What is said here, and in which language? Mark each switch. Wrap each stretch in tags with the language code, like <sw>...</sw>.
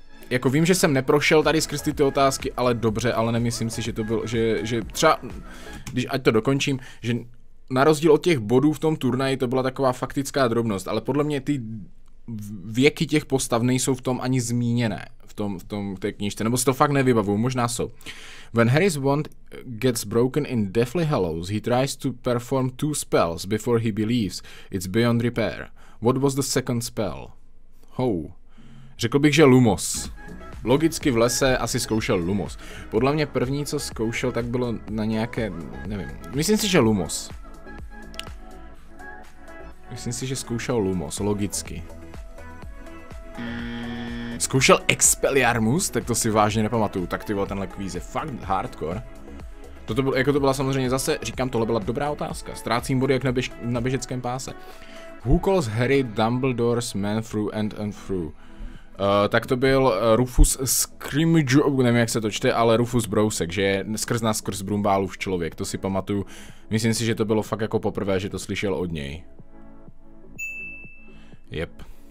<cs>Jako vím, že jsem neprošel tady skrz ty otázky, ale dobře, ale nemyslím si, že to bylo, že třeba, když ať to dokončím, že na rozdíl od těch bodů v tom turnaji to byla taková faktická drobnost, ale podle mě ty věky těch postav nejsou v tom ani zmíněné, v té knižce, nebo si to fakt nevybavuju, možná jsou.</cs> <en>When Harry's wand gets broken in Deathly Hallows, he tries to perform two spells before he believes it's beyond repair. What was the second spell? How?</en> <cs>Řekl bych, že Lumos. Logicky v lese asi zkoušel Lumos. Podle mě první, co zkoušel, tak bylo na nějaké, nevím, myslím si, že zkoušel Lumos, logicky. Zkoušel Expelliarmus? Tak to si vážně nepamatuju, tak ty vole, tenhle kvíz je fakt hardcore. To byla samozřejmě zase, říkám, tohle byla dobrá otázka, ztrácím body jak na běžeckém páse.</cs> <en>Who calls Harry Dumbledore's man through and through?</en> <cs>Tak to byl Rufus Scrimgeour, nevím jak se to čte, ale Rufus Brousek, že je skrz naskrz Brumbálův člověk, to si pamatuju. Myslím si, že to bylo fakt jako poprvé, že to slyšel od něj.</cs> <en>Yep.</en>